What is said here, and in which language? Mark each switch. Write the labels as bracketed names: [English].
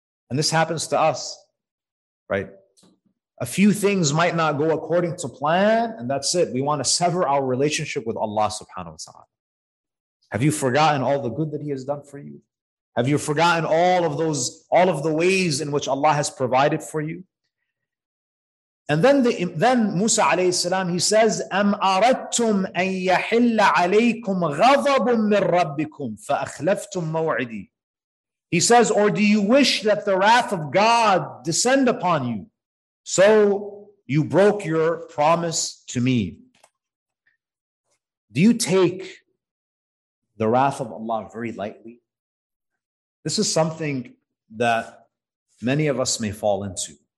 [English] And this happens to us, right? A few things might not go according to plan, and that's it. We want to sever our relationship with Allah subhanahu wa ta'ala. Have you forgotten all the good that He has done for you? Have you forgotten all of the ways in which Allah has provided for you? And then Musa alayhi salam, he says, [Arabic] أَمْ أَرَدْتُمْ أَن يَحِلَّ عَلَيْكُمْ غَضَبٌ مِّن رَبِّكُمْ فَأَخْلَفْتُمْ مَوْعِدِي. [English] He says, or do you wish that the wrath of God descend upon you, so you broke your promise to me? Do you take the wrath of Allah very lightly? This is something that many of us may fall into.